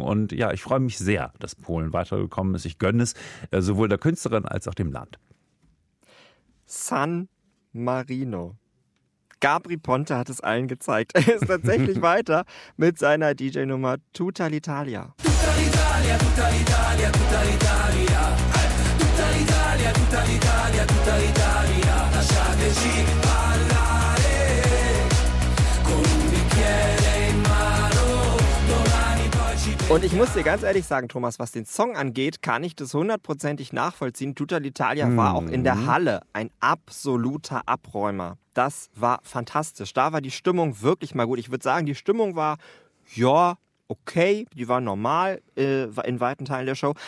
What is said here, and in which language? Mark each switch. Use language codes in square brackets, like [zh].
[de] Und ja, ich freue mich sehr, dass Polen weitergekommen ist. Ich gönne es sowohl der Künstlerin als auch dem Land. San Marino. Gabri Ponte hat es allen gezeigt. Er ist tatsächlich weiter mit seiner DJ-Nummer Tutta l'Italia. [it] Tutta l'Italia, tutta l'Italia, tutta l'Italia. Tutta l'Italia, tutta l'Italia, tutta l'Italia. Lasciateci ballare con un bicchiere in mano. Domani poi ci vediamo. [de] Und ich muss dir ganz ehrlich sagen, Thomas, was den Song angeht, kann ich das hundertprozentig nachvollziehen. Tutta l'Italia war auch in der Halle ein absoluter Abräumer. Das war fantastisch. Da war die Stimmung wirklich mal gut. Ich würde sagen, die Stimmung war, ja, okay, die war normal in weiten Teilen der Show.